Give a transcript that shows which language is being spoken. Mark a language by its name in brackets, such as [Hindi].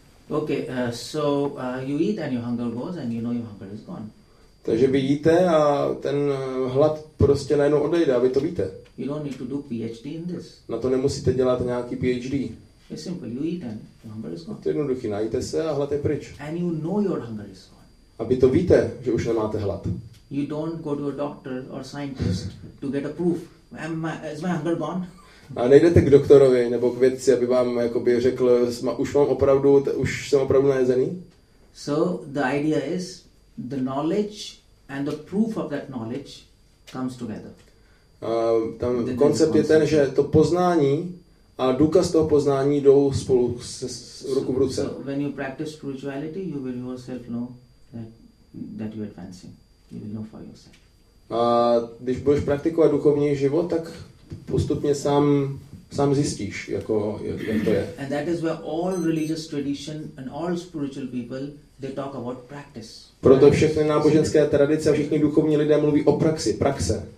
[English] Okay, so you eat and your hunger goes and you know your hunger is gone. [Czech] Takže vy jíte a ten hlad prostě najednou odejde a vy to víte. [English] You don't need to do PhD in this. [Czech] Na to nemusíte dělat nějaký PhD. [English] It's simple, you eat and your hunger is gone. [Czech] To je jednoduchý, najíte se a hlad je pryč. [English] And you know your hunger is gone. [Czech] A vy to víte, že už nemáte hlad. [English] You don't go to a doctor or scientist to get a proof. Is my hunger gone? [Czech] A nejdete k doktorovi nebo k vědci, aby vám jakoby řekl, už jsem opravdu najezený? [English] So the idea is the knowledge and the proof of that knowledge comes together. [Czech] Tam koncept je ten, že to poznání a důkaz toho poznání jdou spolu ruku v ruce. [English] So when you practice spirituality, you will yourself know that you're advancing. You will know for yourself. [Czech] A když budeš praktikovat duchovní život, tak postupně sám zjistíš, jak to je. [English] And that is where all religious tradition and all spiritual people, they talk about practice. [Czech] Proto všechny náboženské tradice a všichni duchovní lidé mluví o praxi, praxe.